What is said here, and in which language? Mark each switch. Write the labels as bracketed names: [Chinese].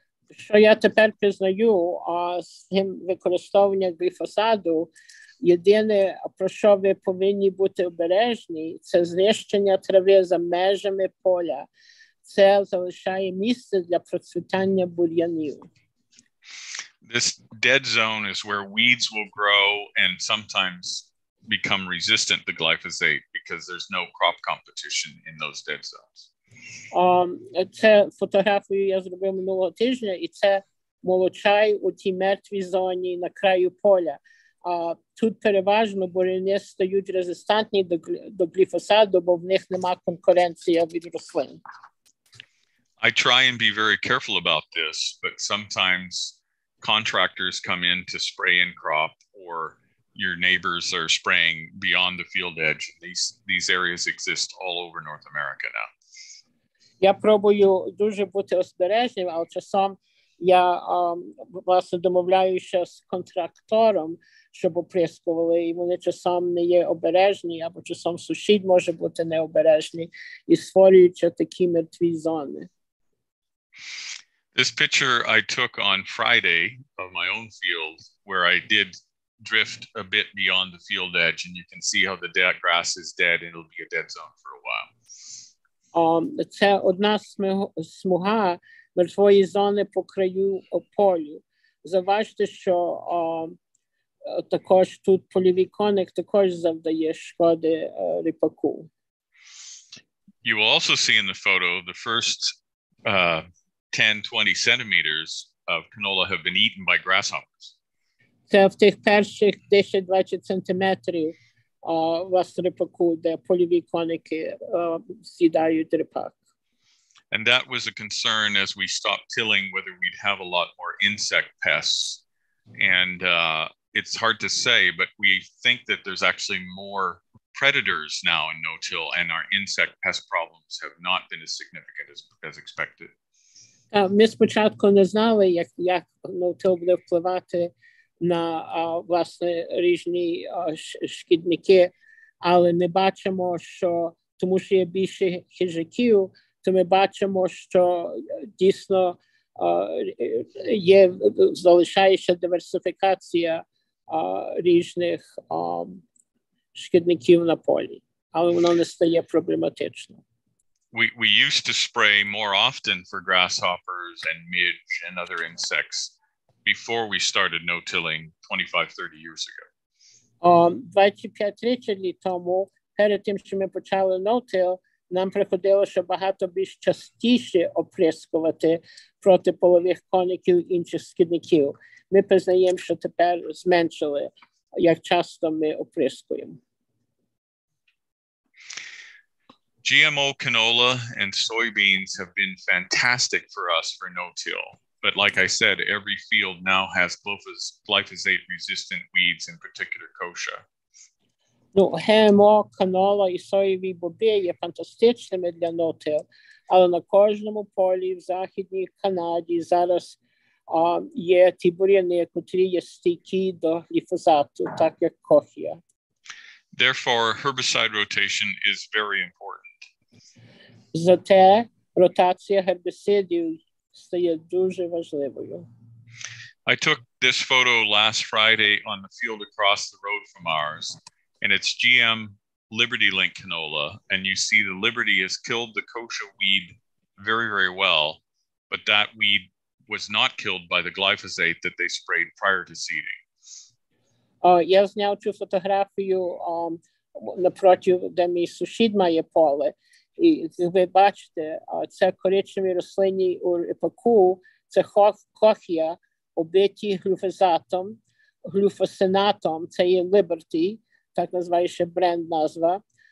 [Ukrainian] Що я тепер пізнаю з тим використовування гліфосаду, єдине, про що ви повинні бути обережні, це знищення трави за межами поля. Це залишає місце для процвітання бур'янів. [English] This dead zone is where weeds will grow and sometimes become resistant to glyphosate because there's no crop competition in those dead zones. [Ukrainian] Це фотографію я зробив минулого тижня, і це молочай у тій мертвій зоні на краю поля. Тут переважно бур'яни стають резистентні до гліфосаду, бо в них нема конкуренції від рослин. [English] I try and be very careful about this, but sometimes contractors come in to spray in crop, or your neighbors are spraying beyond the field edge. These areas exist all over North America now. [Ukrainian] Я пробую дуже бути обережним, але часом я власне домовляюся з контрактором, щоб оприскували, і вони часом не є обережні, або часом сусід може бути необережний, і створюються такі мертві зони. [English] This picture I took on Friday of my own field, where I did drift a bit beyond the field edge, and you can see how the dead grass is dead, and it'll be a dead zone for a while. [Ukrainian] Це одна смуга мертвої зони по краю полю. Зважте, що також тут польовий коник також завдає шкоди ріпаку. [English] You will also see in the photo the first 10-20 centimeters of canola have been eaten by grasshoppers. [Ukrainian] Це в тих перших 10-20 сантиметрів власне ріпаку, де польові коники з'їдають ріпак. [English] And that was a concern as we stopped tilling whether we'd have a lot more insect pests. And it's hard to say, but we think that there's actually more predators now in no-till, and our insect pest problems have not been as significant as expected. [Ukrainian] Ми спочатку не знали, як ноутил буде впливати на власне різні шкідники, але ми бачимо, що тому що є більше хижаків, то ми бачимо, що дійсно є залишається диверсифікація різних шкідників на полі, але воно не стає проблематично. [English] We used to spray more often for grasshoppers and midge and other insects before we started no-tilling 25-30 years ago. [Ukrainian] 25 років тому, перед тим, що ми почали no-till, нам приходилося багато більш частіше оприскувати проти полових коників і інших шкідників. Ми признаємо, що тепер зменшили, як часто ми оприскуємо. [English] GMO canola and soybeans have been fantastic for us for no-till. But like I said, every field now has glyphosate-resistant weeds, in particular kochia. [Ukrainian] Ну, GMO, канола і соєві боби є фантастичними для no-till, але на кожному полі в Західній Канаді зараз є ті бур'яни, які є стійкі до гліфосату, так як кохія. [English] Therefore, herbicide rotation is very important. [Ukrainian] Зате ротація гербіцидів стає дуже важливою. [English] I took this photo last Friday on the field across the road from ours, and it's GM Liberty Link canola, and you see the Liberty has killed the kochia weed very, very well, but that weed was not killed by the glyphosate that they sprayed prior to seeding. [Ukrainian] Я зняв цю фотографію напротив, де мій сусід має поле. І ви бачите, це коричневі рослини у ріпаку, це кохія, оббиті глюфосатом, глюфосинатом, це є Liberty, так називається бренд-назва.